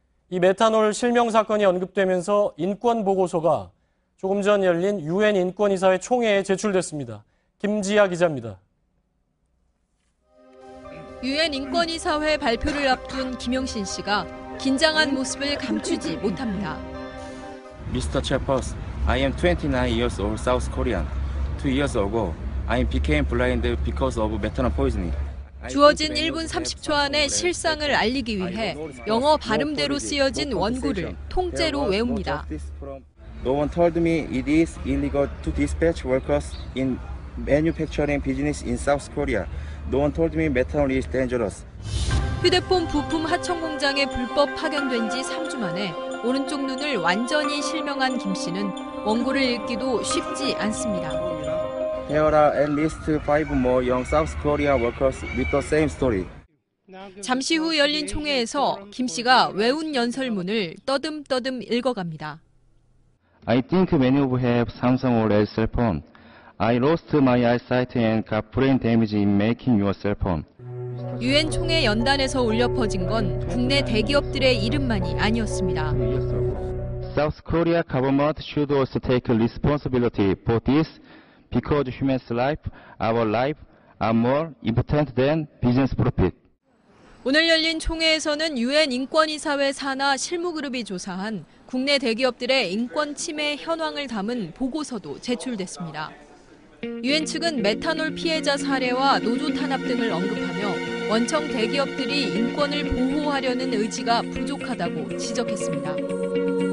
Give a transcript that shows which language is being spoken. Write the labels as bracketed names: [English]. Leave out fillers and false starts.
[Korean] 이 메탄올 실명 사건이 언급되면서 인권보고서가 조금 전 열린 UN 인권이사회 총회에 제출됐습니다. 김지아 기자입니다. 유엔 인권이사회 발표를 앞둔 김용신 씨가 긴장한 모습을 감추지 못합니다. [English] Mr. Chairperson, I am 29 years old South Korean. Two years ago, I became blind because of methanol poisoning. [Korean] 주어진 1분 30초 안에 실상을 알리기 위해 영어 발음대로 쓰여진 원고를 통째로 외웁니다. [English] No one told me it is illegal to dispatch workers in manufacturing business in South Korea. No one told me methanol is dangerous. [Korean] 휴대폰 부품 하청 공장에 불법 파견된 지 3주 만에 오른쪽 눈을 완전히 실명한 김 씨는 원고를 읽기도 쉽지 않습니다. [English] There are at least five more young South Korean workers with the same story. [Korean] 잠시 후 열린 총회에서 김 씨가 외운 연설문을 떠듬떠듬 읽어갑니다. [English] I think many of have Samsung or LG cell phone. I lost my eyesight and got brain damage in making your cell phone. [Korean] 유엔 총회 연단에서 울려 퍼진 건 국내 대기업들의 이름만이 아니었습니다. [English] South Korea government should also take responsibility for this because human's life, our life are more important than business profit. [Korean] 오늘 열린 총회에서는 유엔 인권이사회 산하 실무그룹이 조사한 국내 대기업들의 인권 침해 현황을 담은 보고서도 제출됐습니다. 유엔 측은 메탄올 피해자 사례와 노조 탄압 등을 언급하며 원청 대기업들이 인권을 보호하려는 의지가 부족하다고 지적했습니다.